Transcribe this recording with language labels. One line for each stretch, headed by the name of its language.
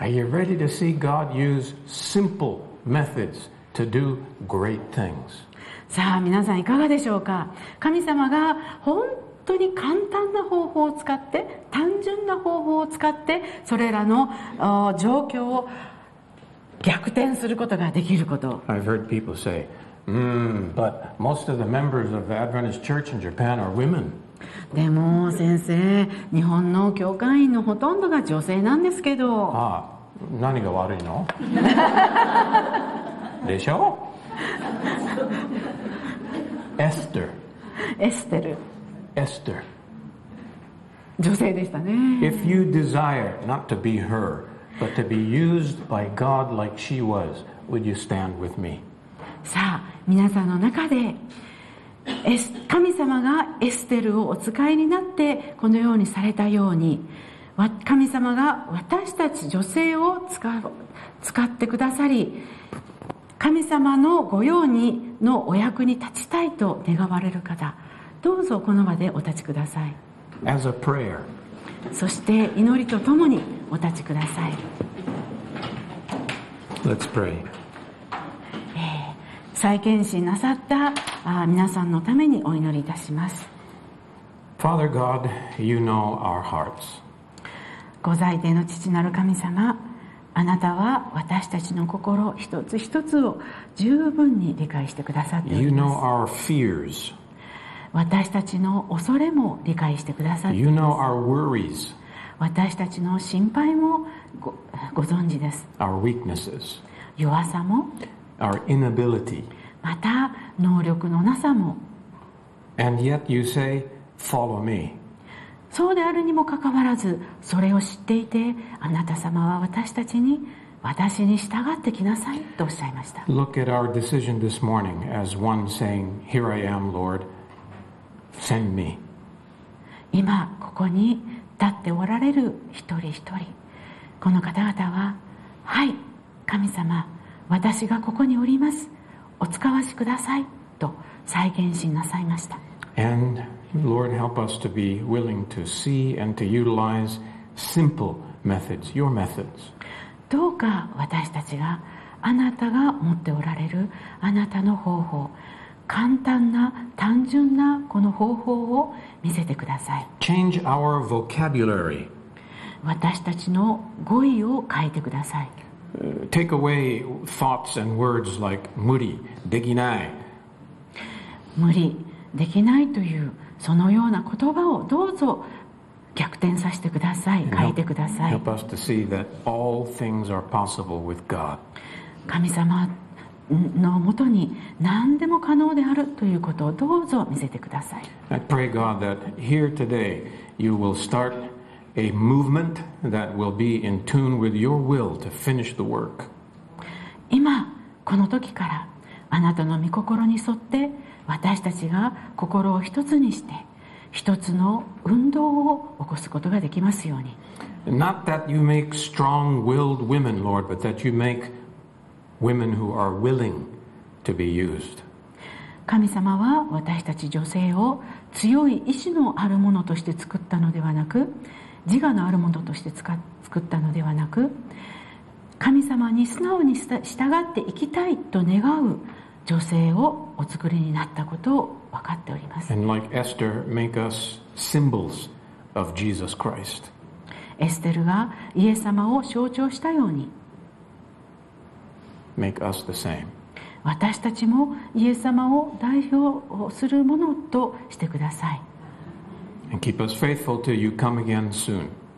English: Are you ready to see God use simple methods to do great things?
Japanese: さあ皆さんいかがでしょうか。神様が本当に簡単な方法を使って、単純な方法を使ってそれらの状況を逆転することができること。
English: I've heard people say, but most of the members of the Adventist Church in Japan are women.
Japanese: でも先生、日本の教会員のほとんどが女性なんですけど。ああ、何が悪いのでしょう。エステル女性でしたね。
English: If you desire not to be her but to be used by God like she was, would you stand with me?
Japanese: さあ皆さんの中で神様がエステルをお使いになってこのようにされたように、神様が私たち女性を使ってくださり、神様のご用にのお役に立ちたいと願われる方、どうぞこの場でお立ちください。
English: As a prayer.
Japanese: そして祈りとともにお立ちください。
English: Let's pray.
Japanese: 再献身なさった皆さんのためにお祈りいたします。
English: Father God, you know our hearts.
Japanese: ご在庭の父なる神様、あなたは私たちの心一つ一つを十分に理解してくださっています。
English: You know our fears.
Japanese: 私たちの恐れも理解してくださっています。
English: You know our worries.
Japanese: 私たちの心配も ご存知です。
English: Our weaknesses.
Japanese: 弱さも。
English: Our inability.
Japanese: また能力のなさも。
English: And yet you say, follow me.
Japanese: そうであるにもかかわらず、それを知っていてあなた様は私たちに私に従ってきなさいとおっしゃいました。
English: Look at our decision this morning as one saying, Here I am, Lord, send me.
Japanese: 今ここに立っておられる一人一人、この方々は、はい、神様、私がここにおります。お使わしくださいと再現しなさいました。
English: And Lord, help us to be willing to see and to utilize simple methods, your methods.
Japanese: どうか私たちがあなたが持っておられるあなたの方法、簡単な単純なこの方法を見せてください。
English: Change our vocabulary.
Japanese: 私たちの語彙を変えてください。
English: Take away thoughts and words like
Japanese: 無理、できない。無理、できないというそのような言葉をどうぞ逆転させてください、変えてください。
English: help us to see that all things are possible with God.
Japanese: 神様のもとに何でも可能であるということをどうぞ見せてください。
English: I pray God that here today you will start a movement that will be in tune with your will to finish the work.
Japanese: 今この時からあなたの御心に沿って私たちが心を一つにして一つの運動を起こすことができますように。
English: Not that you make strong-willed women, Lord, but that you make women who are willing to be used.
Japanese: 神様は私たち女性を強い意志のあるものとして作ったのではなく、自我のあるものとして作ったのではなく、神様に素直に従って生きたいと願う女性をお作りになったことを分かっております。
English: And like Esther, make us symbols of Jesus Christ.
Japanese: エステルがイエス様を象徴したように
English: make us the same.
Japanese: 私たちもイエス様を代表するものとしてください。
English: And keep us faithful till you come again soon.